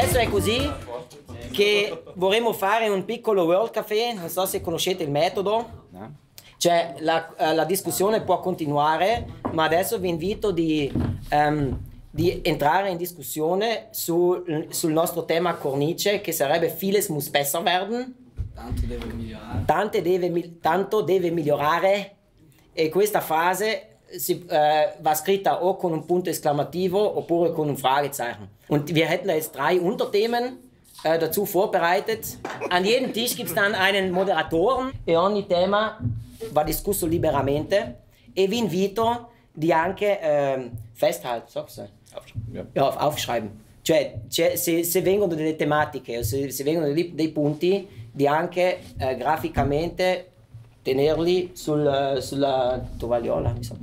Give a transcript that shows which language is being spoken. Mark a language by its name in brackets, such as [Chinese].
[Italian] Così che vorremmo fare un piccolo World Café, non so se conoscete il metodo, cioè la discussione può continuare, ma adesso vi invito di entrare in discussione sul nostro tema cornice, che sarebbe [German] vieles muss besser werden, [Italian] tanto deve migliorare, e questa frase va scritta o con un punto esclamativo oppure con un [German] Fragezeichen. Und wir hätten da jetzt drei Unterthemen dazu vorbereitet. An jedem Tisch gibt es dann einen Moderatoren. [Italian] E ogni tema va discusso liberamente. E vi invito di anche [German] festhalten. Aufschreiben. [Italian] Cioè, se vengono delle tematiche, se vengono dei punti, di anche graficamente tenerli sulla tovagliola, mi sa.